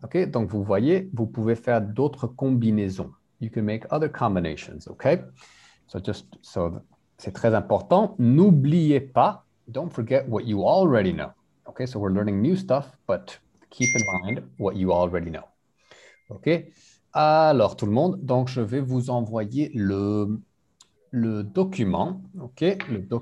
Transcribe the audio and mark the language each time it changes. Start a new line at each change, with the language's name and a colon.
French: Ok, donc vous voyez, vous pouvez faire d'autres combinaisons.
English: You can make other combinations, ok? So
French: c'est très important. N'oubliez pas,
English: don't forget what you already know. Ok, so we're learning new stuff, but keep in mind what you already know.
French: Ok, alors tout le monde, donc je vais vous envoyer le document, ok? Le document.